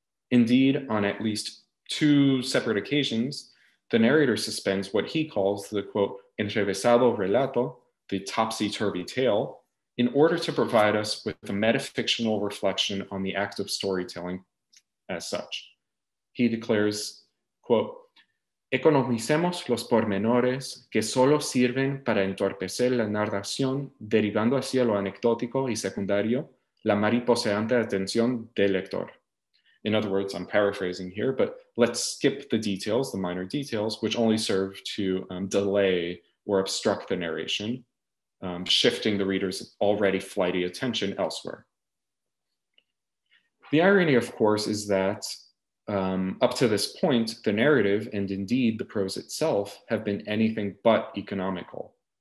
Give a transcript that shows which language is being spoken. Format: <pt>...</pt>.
<en>Indeed, on at least two separate occasions, the narrator suspends what he calls the, quote,</en> <es>entrevesado relato,</es> <en>the topsy-turvy tale, in order to provide us with a metafictional reflection on the act of storytelling as such.</en> <es>He declares, quote, economicemos los pormenores que solo sirven para entorpecer la narración, derivando hacia lo anecdótico y secundario la mariposeante atención del lector.</es> <en>In other words, I'm paraphrasing here, but let's skip the details, the minor details, which only serve to delay or obstruct the narration, shifting the reader's already flighty attention elsewhere. The irony, of course, is that up to this point, the narrative and indeed the prose itself have been anything but economical.</en>